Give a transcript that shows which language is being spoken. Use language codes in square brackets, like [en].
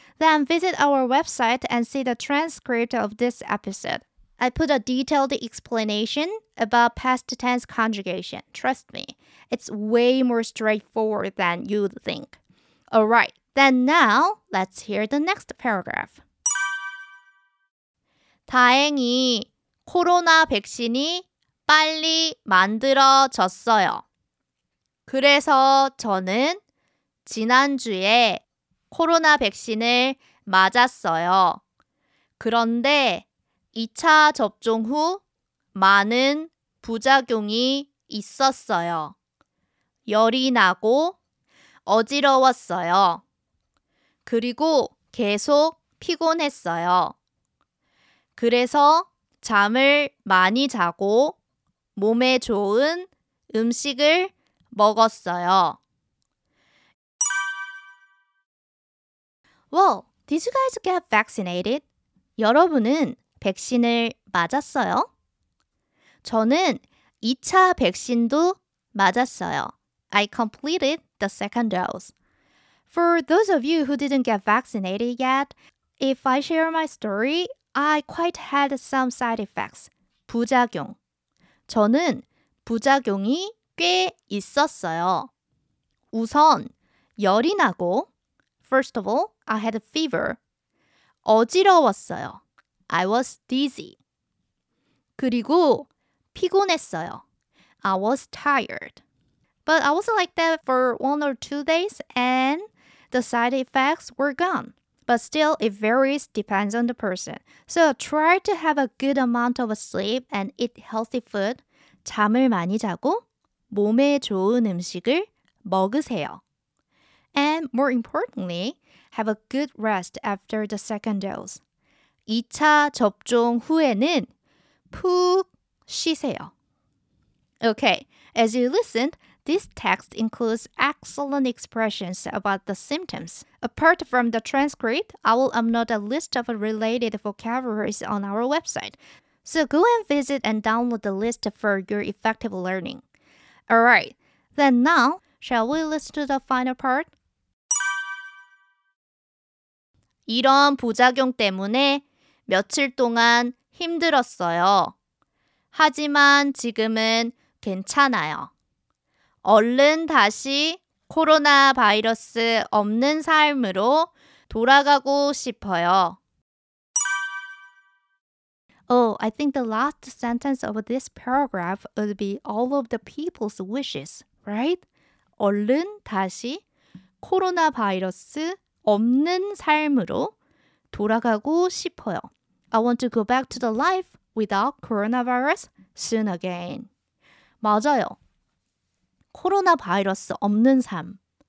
[en] Then visit our website and see the transcript of this episode. I put a detailed explanation about past tense conjugation. Trust me, it's way more straightforward than you'd think. Alright, then now let's hear the next paragraph. [ko] 다행히 코로나 백신이 빨리 만들어졌어요. 그래서 저는 지난주에 코로나 백신을 맞았어요. 그런데 2차 접종 후 많은 부작용이 있었어요. 열이 나고 어지러웠어요. 그리고 계속 피곤했어요. 그래서 잠을 많이 자고 몸에 좋은 음식을 먹었어요. [en] Well, did you guys get vaccinated? [ko] 여러분은 백신을 맞았어요? 저는 2차 백신도 맞았어요. [en] I completed the second dose. For those of you who didn't get vaccinated yet, if I share my story, I quite had some side effects. [ko] 부작용. 저는 부작용이 꽤 있었어요. 우선 열이 나고 [en] First of all, I had a fever. [ko] 어지러웠어요. [en] I was dizzy. [ko] 그리고 피곤했어요. [en] I was tired. But I was like that for one or two days and the side effects were gone. But still, it varies, depends on the person. So try to have a good amount of sleep and eat healthy food. [ko] 잠을 많이 자고 몸에 좋은 음식을 먹으세요. [en] And more importantly, have a good rest after the second dose. [ko] 2차 접종 후에는 푹 쉬세요. [en] Okay, as you listened, this text includes excellent expressions about the symptoms. Apart from the transcript, I will upload a list of related vocabularies on our website. So go and visit and download the list for your effective learning. Alright, then now, shall we listen to the final part? [ko] 이런 부작용 때문에 며칠 동안 힘들었어요. 하지만 지금은 괜찮아요. 얼른 다시 코로나 바이러스 없는 삶으로 돌아가고 싶어요. [en] Oh, I think the last sentence of this paragraph would be all of the people's wishes, right? [ko] 얼른 다시 코로나 바이러스 없는 삶으로 돌아가고 싶어요. [en] I want to go back to the life without coronavirus soon again. [ko] 맞아요. 코로나 바이러스 없는 삶.